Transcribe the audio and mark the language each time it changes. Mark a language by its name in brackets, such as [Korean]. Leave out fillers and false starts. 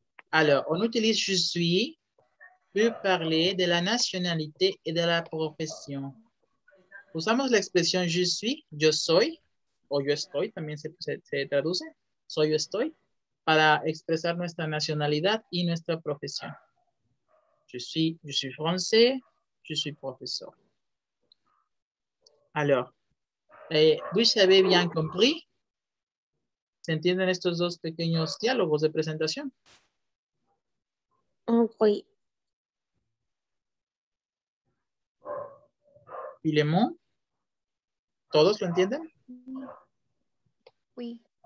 [French] Alors, on utilise je suis pour parler de la nationalité et de la profession. [Spanish] Usamos la expresión [French] je suis, [Spanish] yo soy, o yo estoy, también se traduce, soy yo estoy, para expresar nuestra nacionalidad y nuestra profesión. [French] Je suis français, je suis professeur. Alors, vous avez bien compris? [Spanish] ¿Se entienden estos dos pequeños diálogos de presentación? [French] Oui. [Spanish] Filemón, ¿todos lo entienden? [French] Oui.